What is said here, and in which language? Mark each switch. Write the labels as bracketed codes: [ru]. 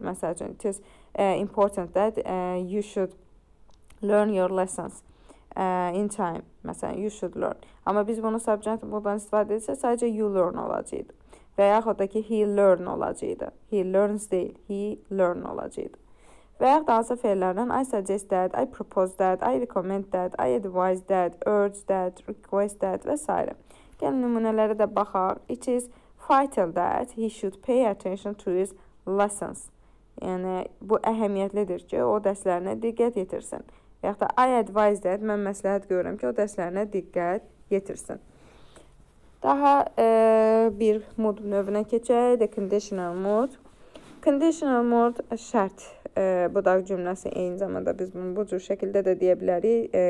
[az] Məsələn, [en] it is important that you should learn your lessons in time. [az] Məsələn, [en] you should learn. [az] Amma biz bunu subjunctive mooddan istifadə etsək, sadəcə you learn olacaqdı. Və yaxud da ki, he learn olacaqdı. He learns deyil, he learn olacaqdı. Və yaxud da hansı fellərdən [en] I suggest that, I propose that, I recommend that, I advise that, urge that, request that [az] və s. Gəlin, nümunələrə də baxaq. [en] It is vital that he should pay attention to his lessons. [az] Yəni, bu əhəmiyyətlidir ki, o dərslərinə diqqət yetirsin. Və yaxud da [en] I advise that, [az] mən məsləhət görürəm ki, o dərslərinə diqqət yetirsin. Daha bir mood növünə keçək, the conditional mood. Conditional mood şərt. Bu da cümləsi eyni zamanda biz bunu bu cür şəkildə də deyə bilərik.